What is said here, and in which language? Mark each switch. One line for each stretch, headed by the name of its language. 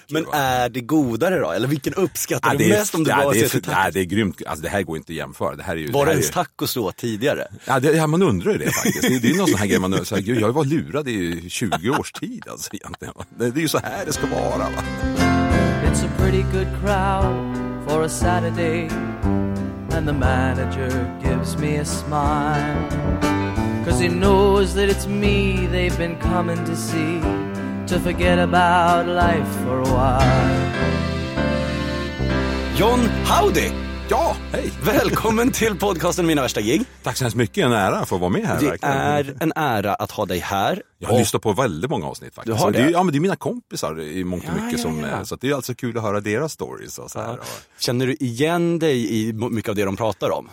Swedish: Men va? Är det godare då? Eller vilken uppskattar du mest om du bara ser till tacos? Nej, det är grymt. Alltså det här går inte att jämföra. Det här är ju, var det ens tacos då tidigare? Ja, man undrar ju det faktiskt. Det är någon sån här grej man undrar. Så här, gud, jag var lurad i 20 års tid alltså egentligen. Va? Det är ju så här det ska vara, va.
English: It's a pretty good crowd for a Saturday. And the manager gives me a smile, 'cause he knows that it's me they've been coming to see, to forget about life for a while.
Swedish: John Howdy! Ja, hej! Välkommen till podcasten Mina värsta gig. Tack så hemskt mycket, en ära för att vara med här. Det verkligen är en ära att ha dig här. Jag har lyssnat på väldigt många avsnitt faktiskt. Du har det? Ja, men det är mina kompisar i mångt och mycket. Så att det är alltså kul att höra deras stories. Och så här. Känner du igen dig i mycket av det de pratar om?